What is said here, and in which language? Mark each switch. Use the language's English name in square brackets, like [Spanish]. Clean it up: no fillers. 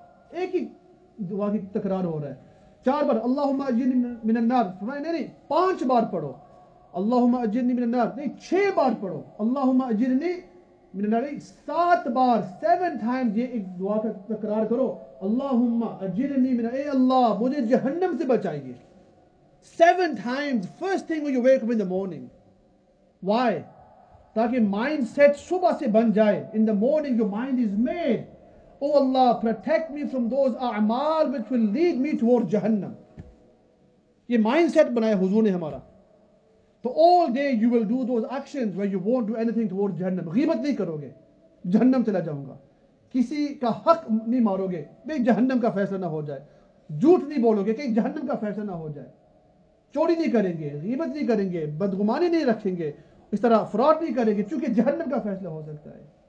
[Urdu] ایک ہی دعا کی تکرار ہو رہا ہے, 4 بار [Arabic] اللہم اجرنی من النار, [Urdu] فرمایا نہیں 5 بار پڑھو, [Arabic] اللہم اجرنی من [Urdu] النار, نہیں 6 بار پڑھو, اللہم اجرنی من النار, 7 بار 7 times یہ ایک دعا کا تکرار کرو, اللہم اجرنی من, اے اللہ مجھے جہنم سے بچائیے, [English] 7 times first thing when you wake up in the morning. Why? [Urdu] تاکہ مائنڈ سیٹ صبح سے بن جائے. [English] In the morning your mind is made, oh Allah protect me from those اعمال which will lead me toward جہنم. [Urdu] یہ mind set بنایا حضور نے ہمارا. [English] تو all day you will do those actions where you won't do anything toward جہنم. [Urdu] غیبت نہیں کرو گے, جہنم چلا جاؤں گا, کسی کا حق نہیں مارو گے کہ جہنم کا فیصلہ نہ ہو جائے, جھوٹ نہیں بولو گے کہ جہنم کا فیصلہ نہ ہو جائے, چوری نہیں کریں گے, غیبت نہیں کریں گے, بدگمانی نہیں رکھیں گے, اس طرح فراڈ نہیں کریں گے, چونکہ جہنم کا فیصلہ ہو سکتا ہے.